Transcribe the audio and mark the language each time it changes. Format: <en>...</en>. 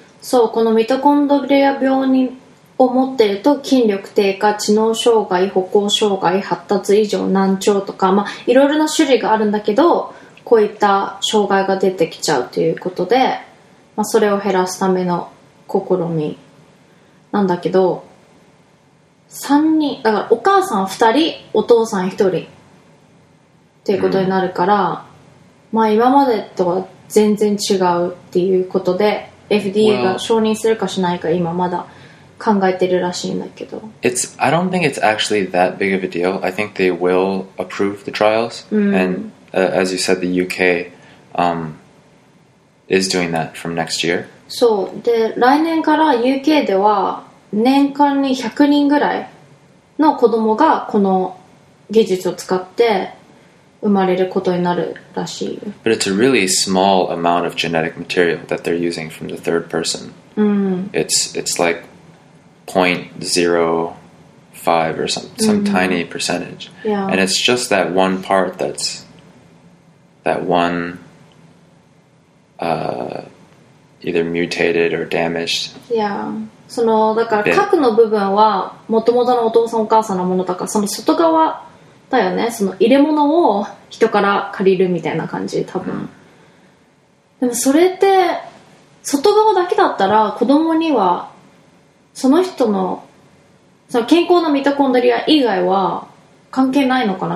<ja>そう、このミトコンドリア病を持っていると、筋力低下、知能障害、歩行障害、発達異常、難聴とか、まあ、いろいろな種類があるんだけど、こういった障害が出てきちゃうということで、まあ、それを減らすための試みなんだけど、3人だからお母さん2人お父さん1人っていうことになるから、まあ今までとは全然違うっていうことで FDA が承認するかしないか今まだ考えてるらしいんだけど、</ja> <en>It's, I don't think it's actually that big of a deal. I think they will approve the trials、and、as you said, the UK、is doing that from next year.</en> <ja>そうで、来年から UK では年間に100人ぐらいの子供がこの技術を使って生まれることになるらしい。</ja> <en>But it's a really small amount of genetic material that they're using from the third person. It's like 0.05 or some tiny percentage. Yeah. And it's just that one part that's that one either mutated or damaged. Yeah.</en> <ja>そのだから核の部分は元々のお父さんお母さんのものだから、その外側だよね。その入れ物を人から借りるみたいな感じ、多分。でもそれって外側だけだったら子供にはその人のその健康なミトコンドリア以外は関係ないのかな？</ja>